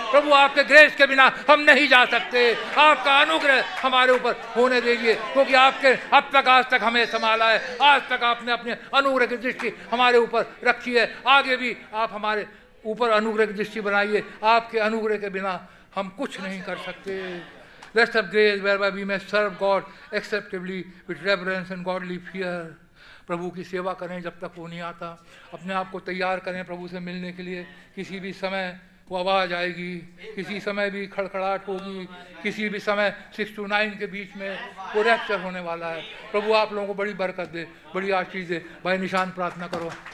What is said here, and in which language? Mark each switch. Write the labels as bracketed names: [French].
[Hindi] प्रभु आपके ग्रेस के बिना हम नहीं जा सकते, आपका अनुग्रह हमारे ऊपर होने दीजिए, क्योंकि आपके अब तक आज तक हमें संभाला है, आज तक आपने अपने अनुग्रह की दृष्टि हमारे ऊपर रखी है, आगे भी आप हमारे ऊपर अनुग्रह की दृष्टि बनाइए, आपके अनुग्रह के बिना हम कुछ नहीं कर सकते। [English] Rest of grace whereby we may serve God acceptably with reverence and godly fear. [Hindi] प्रभु की सेवा करें जब तक वो नहीं आता, अपने आप को तैयार करें प्रभु से मिलने के लिए। किसी भी समय वो आवाज़ आएगी, किसी समय भी खड़खड़ाहट होगी, किसी भी समय 6 to 9 के बीच में वो रैप्चर होने वाला है। प्रभु आप लोगों को बड़ी बरकत दे, बड़ी आशीष दे। भाई निशान प्रार्थना करो।